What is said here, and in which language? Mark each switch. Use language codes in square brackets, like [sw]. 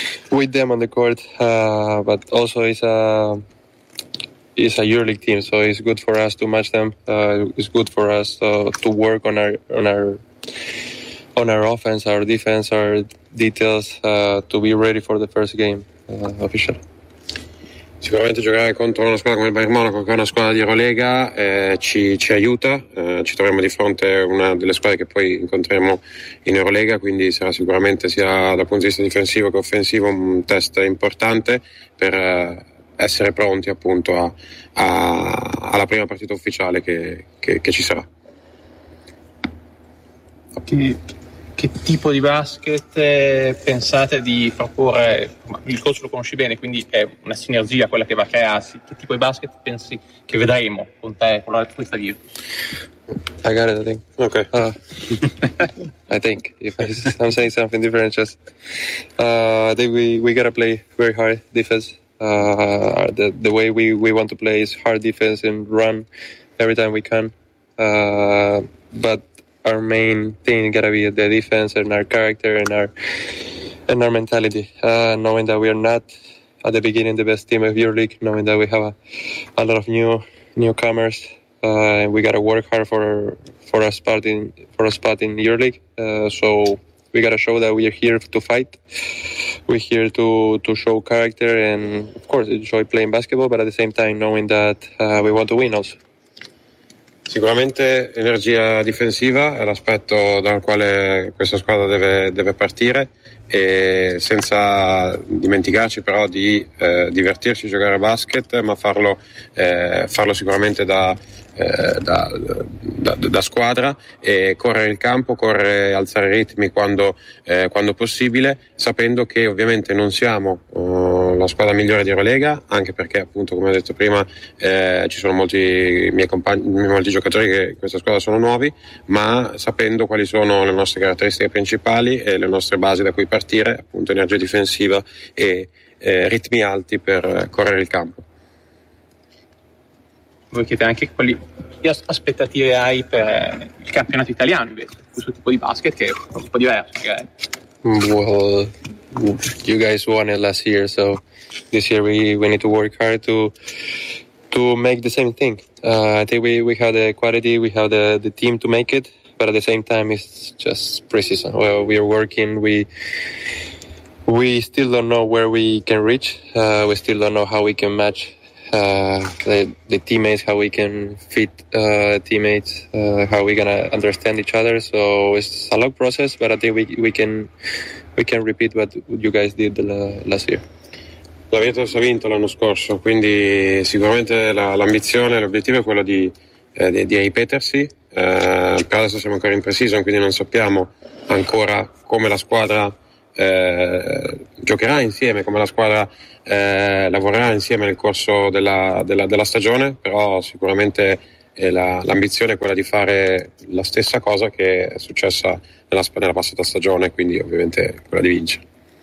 [en] With them on the court, but also it's a EuroLeague team, so it's good for us to match them. It's good for us to work on our offense, our defense, our details, to be ready for the first game, officially. [it] Sicuramente giocare contro una squadra come il Bayern Monaco, che è una squadra di Eurolega, ci aiuta, ci troviamo di fronte a una delle squadre che poi incontreremo in Eurolega, quindi sarà sicuramente sia dal punto di vista difensivo che offensivo un test importante per essere pronti appunto alla prima partita ufficiale che ci sarà. Che tipo di basket pensate di proporre? Il coach lo conosci bene, quindi è una sinergia quella che va a crearsi. Che tipo di basket pensi che vedremo con te con questa via? [en] I got it, I think. Okay. I think if I'm saying something different, just I think we gotta play very hard defense. The way we want to play is hard defense and run every time we can. But our main thing gotta be the defense and our character and our mentality. Knowing that we are not at the beginning the best team of EuroLeague, knowing that we have a lot of newcomers, and we gotta work hard for a spot in EuroLeague. So we gotta show that we are here to fight. We're here to show character and of course enjoy playing basketball, but at the same time knowing that we want to win also. [it] Sicuramente energia difensiva è l'aspetto dal quale questa squadra deve partire, e senza dimenticarci però di divertirci a giocare a basket, ma farlo sicuramente da squadra, e correre il campo, alzare i ritmi quando possibile, sapendo che ovviamente non siamo la squadra migliore di Eurolega, anche perché appunto come ho detto prima ci sono molti giocatori che in questa squadra sono nuovi, ma sapendo quali sono le nostre caratteristiche principali e le nostre basi da cui partire, appunto energia difensiva e ritmi alti per correre il campo. Voi chiedete anche quali aspettative hai per il campionato italiano invece, questo tipo di basket che è un po' diverso. [en] Well, you guys won it last year, so this year we need to work hard to make the same thing. I think we have the quality, we have the team to make it, but at the same time it's just preseason. Well, we are working, we still don't know where we can reach, we still don't know how we can match the teammates, how we can fit teammates, how we're gonna understand each other. So it's a long process, but I think we can repeat what you guys did last year. [it] La Virtus ha vinto l'anno scorso, quindi sicuramente l'ambizione, l'obiettivo è quello di ripetersi. Per adesso siamo ancora in pre-season, quindi non sappiamo ancora come la squadra giocherà insieme, come la squadra lavorerà insieme nel corso della stagione, però sicuramente l'ambizione è quella di fare la stessa cosa che è successa nella passata stagione, quindi ovviamente quella di vincere.